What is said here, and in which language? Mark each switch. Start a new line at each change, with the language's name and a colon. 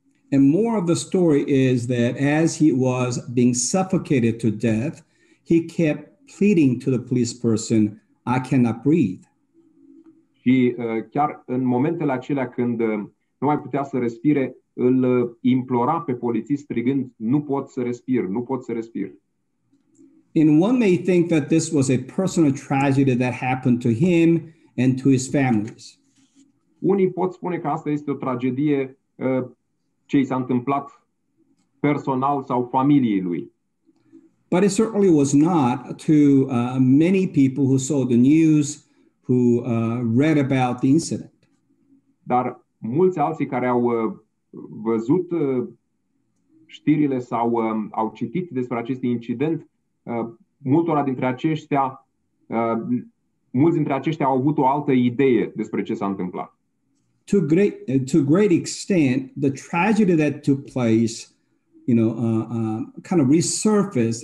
English: And more of the story is that as he was being suffocated to death, he kept pleading to the police person, "I cannot breathe."
Romanian: Și chiar în momentele acelea când nu mai putea să respire, îl implora pe polițist strigând, "Nu pot să respir, nu pot să respir."
English: And one may think that this was a personal tragedy that happened to him and to his families.
Romanian: Unii pot spune că asta este o tragedie ce i s-a întâmplat personal sau familiei lui.
English: But it certainly was not to many people who saw the news, who read about the incident.
Romanian: Dar mulți alții care au văzut știrile sau au citit despre acest incident, multora dintre aceștia, mulți dintre aceștia au avut o altă idee despre ce s-a întâmplat.
English: To a great extent, the tragedy that took place, you know, kind of resurfaced.